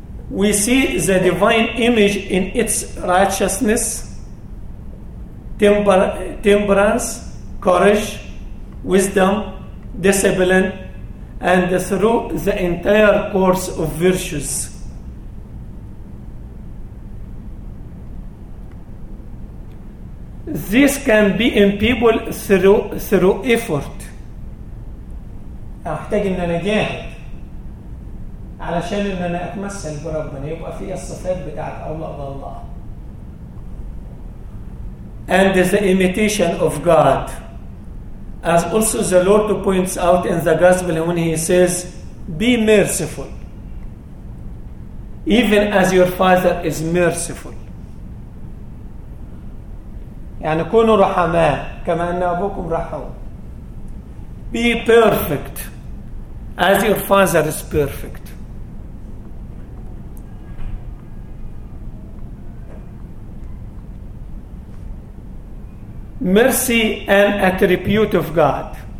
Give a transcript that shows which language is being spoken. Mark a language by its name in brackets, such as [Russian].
[English] We see the divine image in its righteousness, temperance, courage, wisdom, discipline, and through the entire course of virtues. This can be in people through effort. [Arabic] أحتاج إن أنا جاهد علشان إن أنا أتمثل بربنا، يبقى في الصفات بتاعت الله بالله. [English] And the imitation of God. As also the Lord points out in the Gospel when he says, be merciful, even as your Father is merciful. [Arabic] يعني كونوا رحماء كما أن أبوكم رحوم. [English] Be perfect, as your Father is perfect. Mercy, an attribute of God.